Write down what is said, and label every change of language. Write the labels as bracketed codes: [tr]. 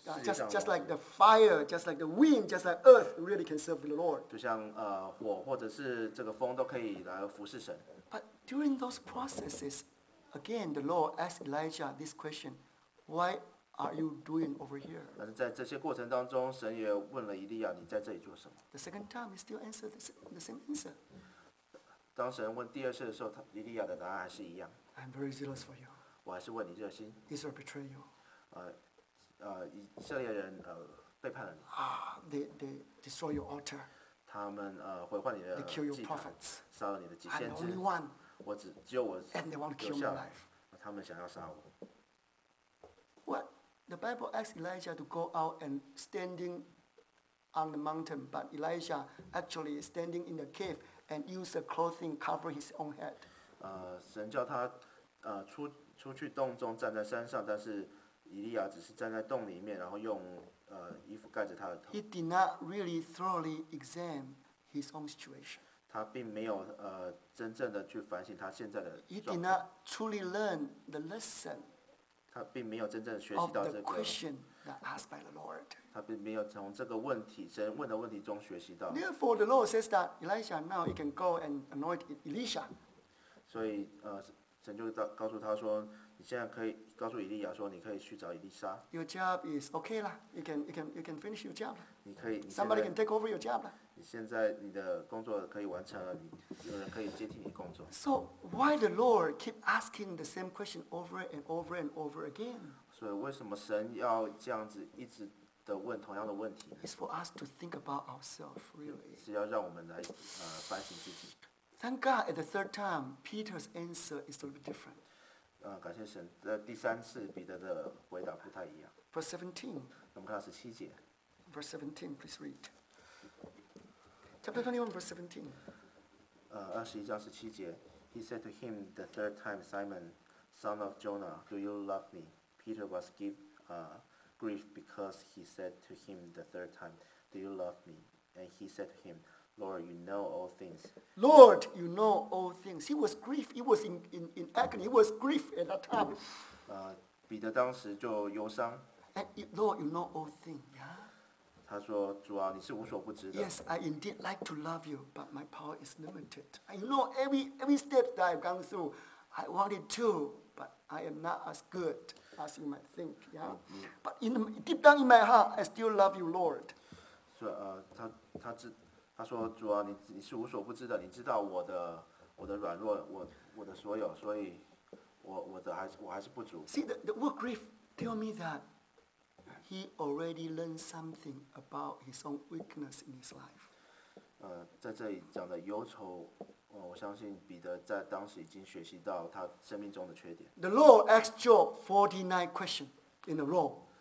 [en] just like the fire, just like the wind, just like earth really can serve the Lord. [zh] 就像, 火, 或者是这个风都可以来服侍神。 [en] But during those processes, again, the Lord asked Elijah this question, why are you doing over here? [zh] 但是在这些过程当中, 神也问了以利亚, 你在这里做什么? [en] The second time, he still answered the same answer. [zh] 当神问第二次的时候, 他, 以利亚的答案还是一样。 [en] I'm very zealous for you. [zh] 我还是为你热心。 [en] Israel betrayed you. [zh] 以色列人, 背叛了你。 [en] They destroy your altar. [zh] 他们, 毁坏你的, [en] they kill your prophets. [zh] 杀了你的祭先知。 [en] I'm the only one. [zh] 只有我留下, [en] and they want to kill my life. [zh] 他们想要杀我。 [en] What? The Bible asks Elijah to go out and standing on the mountain, but Elijah actually is standing in the cave and use a clothing to cover his own head. [zh] 神叫他, 出去洞中站在山上, 但是以利亚只是站在洞里面, 然后用, 衣服盖着他的头。 [en] He did not really thoroughly examine his own situation. [zh] 他并没有, 真正的去反省他现在的状况。 [en] He did not truly learn the lesson [zh] 他并没有真正学习到这个, [en] of the question that asked by the Lord. [zh] 他并没有从这个问题, 神问的问题中学习到。 [en] Therefore, the Lord says that Elijah now he can go and anoint Elisha. [zh] 所以, 神就告诉他说, 你现在可以告诉以利亚说, 你可以去找以利沙。 [en] Your job is okay 啦, you can finish your job 啦。 [zh] 你可以, [en] somebody can take over your job 啦。 [zh] 你现在你的工作可以完成了，你有人可以接替你工作。 [en] So why the Lord keep asking the same question over and over and over again? [zh] 所以为什么神要这样子一直的问同样的问题？ [en] It's for us to think about ourselves, really. [zh] 是要让我们来, 反省自己。 [en] Thank God at the third time, Peter's answer is a little bit different. [zh] 感谢神, 第三次, 彼得的回答不太一样。 [en] Verse 17. [zh] 我们看到17节。 [en] Verse 17, please read. Chapter 21, verse 17. [zh] 21章17节, [en] He said to him the third time, Simon, son of Jonah, do you love me? Peter was grief because he said to him the third time, do you love me? And he said to him, Lord, you know all things. Lord, you know all things. He was grief. He was in agony. He was grief at that time. [zh] 彼得当时就忧伤。 [en] And you, Lord, you know all things. Yeah? [zh] 他说, 主啊, 你是无所不知的。 [en] Yes, I indeed like to love you, but my power is limited. And you know every step that I've gone through, I wanted to, but I am not as good as you might think. Yeah? But in the, deep down in my heart, I still love you, Lord. [zh] 所以, 他说, 主啊, 你是无所不知的, 你知道我的, 我的软弱, 我, 我的所有, 所以, 我, 我的还是, 我还是不足。 [en] See, the word grief tell me that he already learned something about his own weakness in his life. [zh] 在这里讲的忧愁, 我相信彼得在当时已经学习到他生命中的缺点。 [en] The Lord asked Job 49 questions in a row.